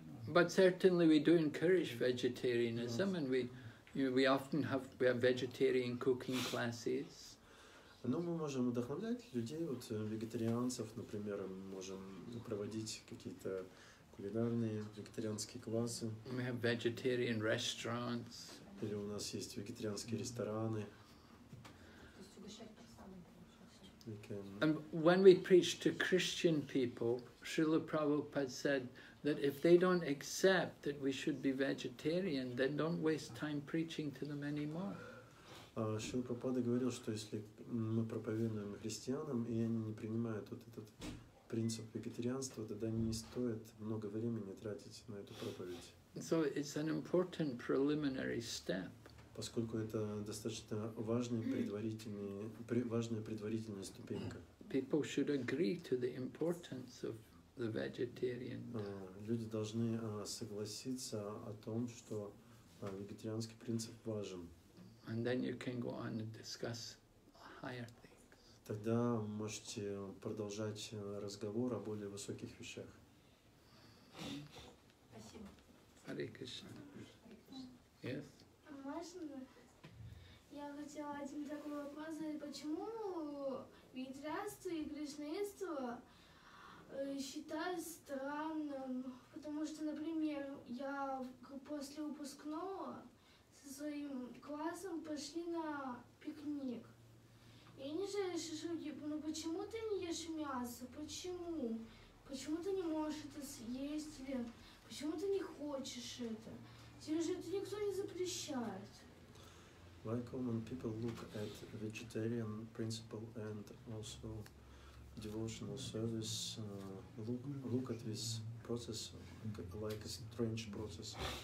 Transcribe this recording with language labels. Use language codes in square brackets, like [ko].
[en] But certainly we do encourage vegetarianism, and we often have vegetarian cooking classes. [ru] Но мы можем вдохновлять людей, вот вегетарианцев, например, мы можем проводить какие-то кулинарные вегетарианские классы. [en] We have vegetarian restaurants. [ru] Или у нас есть вегетарианские рестораны. [en] And when we preach to Christian people, Srila Prabhupada said that if they don't accept that we should be vegetarian, then don't waste time preaching to them anymore. [ru] Шрила Прабхупада говорил, что если мы проповедуем христианам, и они не принимают вот этот принцип вегетарианства, тогда не стоит много времени тратить на эту проповедь. [en] So it's an important preliminary step. [ru] Поскольку это достаточно важный важная предварительная ступенька. [en] People should agree to the importance of the vegetarian. [ru] Люди должны согласиться о том, что вегетарианский принцип важен. [en] And then you can go on and discuss higher things. [ru] Тогда можете продолжать разговор о более высоких вещах. Спасибо. [en] Hare Krishna. Yes? [ru] Можно? Я хотела один такой вопрос задать. Почему вегетарианство и кришнаитство считают странным? Потому что, например, я после выпускного со своим классом пошли на пикник. И они же шашлыки. Но почему ты не ешь мясо? Почему? Почему ты не можешь это съесть? Или... Почему ты не хочешь это? Тебе же это никто не запрещает. [en] Why common people look at vegetarian principle and also devotional service look at this process like a strange process?